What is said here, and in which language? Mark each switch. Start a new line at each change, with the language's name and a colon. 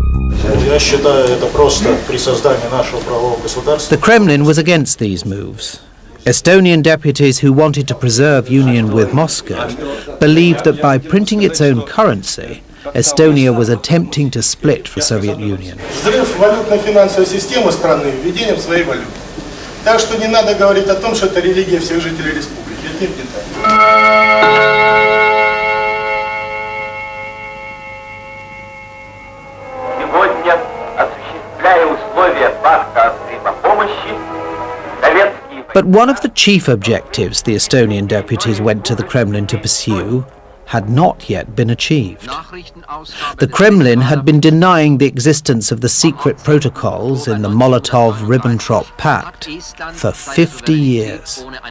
English: The Kremlin was against these moves. Estonian deputies who wanted to preserve union with Moscow believed that by printing its own currency, Estonia was attempting to split from the Soviet Union.
Russian: Взрыв валютной финансовой системы страны введением своей валюты. Так что не надо говорить о том, что это религия всех жителей республики. Это не так. Сегодня, осуществляя условия Пакта о помощи, советские...
English: But one of the chief objectives the Estonian deputies went to the Kremlin to pursue had not yet been achieved. The Kremlin had been denying the existence of the secret protocols in the Molotov-Ribbentrop Pact for 50 years.